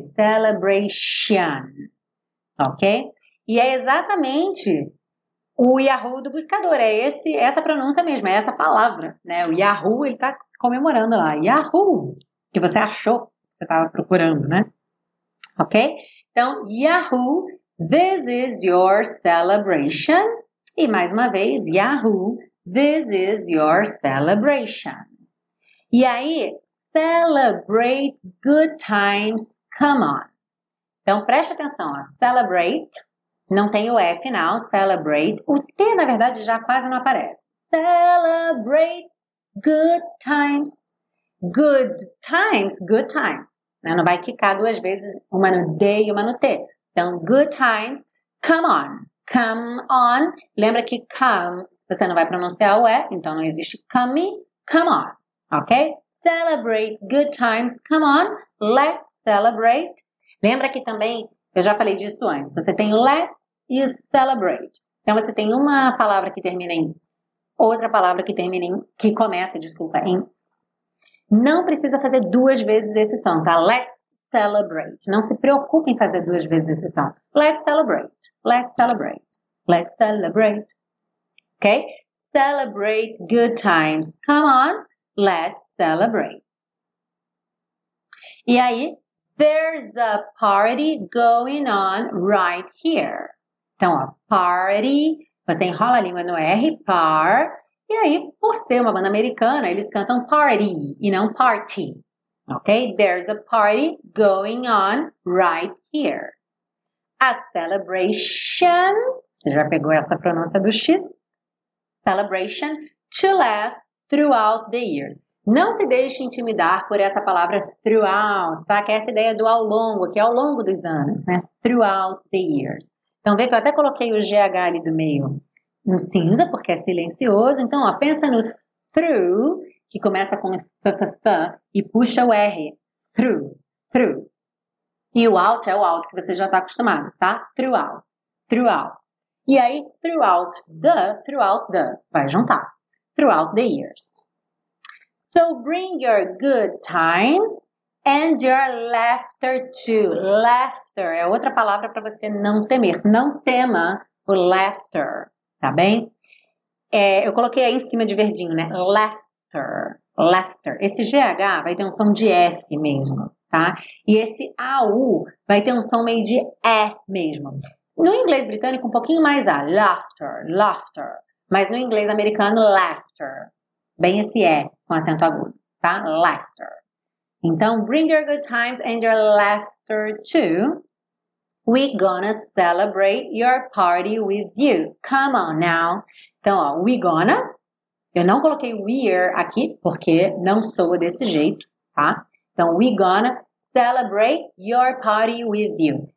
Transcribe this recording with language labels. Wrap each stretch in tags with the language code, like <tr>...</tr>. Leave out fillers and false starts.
<en>Celebration, ok?</en> <pt>E é exatamente o Yahoo do buscador. É essa pronúncia mesmo, é essa palavra, né? O Yahoo, ele tá comemorando lá. Yahoo, que você achou, você tava procurando, né? Ok? Então, Yahoo...</pt> <en>This is your celebration.</en> <pt>E mais uma vez,</pt> <en>Yahoo, this is your celebration.</en> <pt>E aí,</pt> <en>celebrate good times, come on.</en> <pt>Então, preste atenção, ó. Celebrate, não tem o E final, celebrate. O T, na verdade, já quase não aparece.</pt> <en>Celebrate good times, good times.</en> <pt>Não vai quicar duas vezes, uma no D e uma no T. Então,</pt> <en>good times, come on, come on.</en> <pt>Lembra que come, você não vai pronunciar o E, então não existe come, come on, ok?</pt> <en>celebrate good times. Come on, let's celebrate.</en> <pt>Lembra que também, eu já falei disso antes, você tem let's e o celebrate. Então, você tem uma palavra que termina em outra palavra que termina em, que começa, desculpa, em não precisa fazer duas vezes esse som, tá?</pt> <en>Let's celebrate.</en> <pt>Não se preocupe em fazer duas vezes esse som.</pt> <en>Let's celebrate. Let's celebrate. Let's celebrate. Ok? Celebrate good times. Come on. Let's celebrate.</en> <pt>E aí,</pt> <en>there's a party going on right here.</en> <pt>Então, ó, party. Você enrola a língua no R, par. E aí, por ser uma banda americana, eles cantam party e não party. Ok?</pt> <en>There's a party going on right here. A celebration.</en> <pt>Você já pegou essa pronúncia do X?</pt> <en>Celebration to last throughout the years.</en> <pt>Não se deixe intimidar por essa palavra throughout, tá? Que é essa ideia do ao longo, que é ao longo dos anos, né?</pt> <en>Throughout the years.</en> <pt>Então, vê que eu até coloquei o GH ali do meio no cinza, porque é silencioso. Então, ó, pensa no through, que começa com f-f-f e puxa o R. Through, through. E o out é o out que você já está acostumado, tá?</pt> <en>Throughout, throughout.</en> <pt>E aí, throughout the, vai juntar.</pt> <en>Throughout the years. So, bring your good times and your laughter too.</en> <pt>Laughter é outra palavra para você não temer. Não tema o laughter, tá bem? É, eu coloquei aí em cima de verdinho, né? Laughter, laughter. Esse GH vai ter um som de F mesmo, tá? E esse AU vai ter um som meio de E mesmo. No inglês britânico, um pouquinho mais A. Laughter, laughter. Mas no inglês americano, laughter. Bem esse E com acento agudo, tá? Laughter.</pt> <en>Então, bring your good times and your laughter too. We gonna celebrate your party with you. Come on now.</en> <pt>Então, ó,</pt> <en>we gonna.</en> <pt>Eu não coloquei we're aqui porque não soa desse jeito, tá?</pt> <en>Então, we gonna celebrate your party with you.</en>